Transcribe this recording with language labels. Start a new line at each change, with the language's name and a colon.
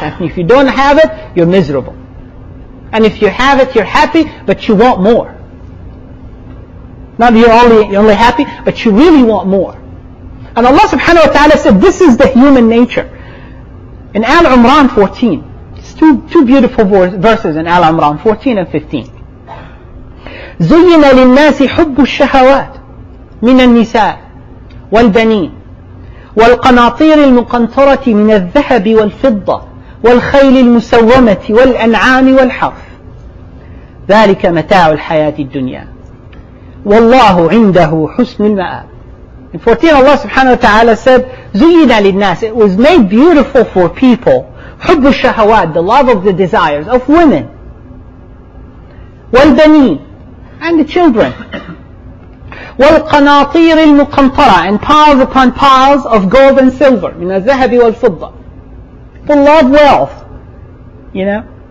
English: And if you don't have it, you're miserable. And if you have it, you're happy, but you want more. Not you're only happy, but you really want more. And Allah subhanahu wa ta'ala said, this is the human nature. In Al-Imran 14, it's two beautiful verses in Al-Imran 14 and 15.
Arabic: زين للناس حب الشهوات من النساء والبنين والقناطير المقنطرة من الذهب والفضة والخيل المسومة والأنعام والحرث ذلك متاع الحياة الدنيا والله عنده حسن المآب.
English: In 14 Allah subhanahu wa ta'ala said
Arabic: زين للناس,
English: it was made beautiful for people,
Arabic: حب الشهوات,
English: the love of the desires of women,
Arabic: والبنين
English: and the children,
Arabic: والقناطير المقنطرة
English: and piles upon piles of gold and silver,
Arabic: من الذهب والفضة,
English: full of wealth, you know,